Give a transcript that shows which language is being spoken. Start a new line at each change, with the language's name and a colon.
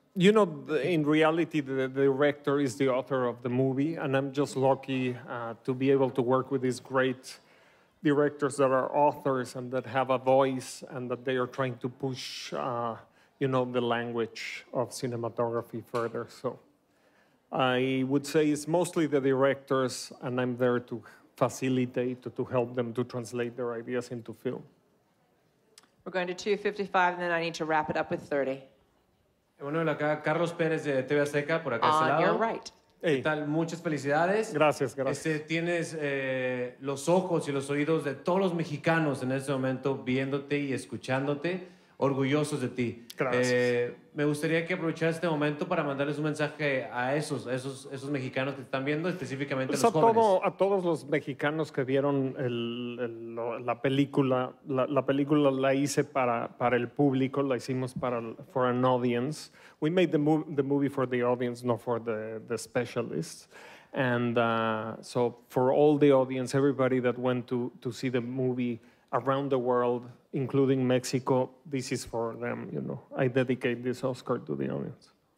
English: You know, in reality, the director is the author of the movie, and I'm just lucky to be able to work with these great directors that are authors and that have a voice and that they are trying to push, the language of cinematography further. So I would say it's mostly the directors, and I'm there to facilitate, to help them to translate their ideas into film. We're going to 255, and then I need to wrap it up with 30.
Spanish: Emmanuel, acá Carlos Pérez de TV Azteca, por acá ese lado.
English: On your right.
Spanish: Hey. ¿Qué tal? Muchas felicidades. Gracias, gracias. Tienes los ojos y los oídos de todos los mexicanos en este momento viéndote y escuchándote, orgullosos de ti. Gracias. Me gustaría que aprovechara este momento para mandarles un mensaje a esos mexicanos que están viendo, específicamente pues a los jóvenes. A todos los mexicanos que vieron la película la hice para el público, la hicimos
English: for an audience. We made the movie for the audience, not for the specialists. And so for all the audience, everybody that went to see the movie around the world, including Mexico, this is for them, you know. I dedicate this Oscar to the audience.